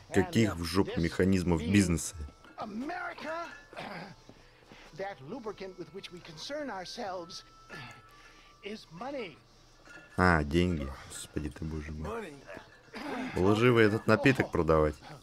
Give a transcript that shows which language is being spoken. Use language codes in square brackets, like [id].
[ru] Каких в жопу механизмов бизнеса? [en] America, that lubricant with which we concern ourselves is money. [ru] А, деньги. Господи ты боже мой. Лживый этот напиток продавать.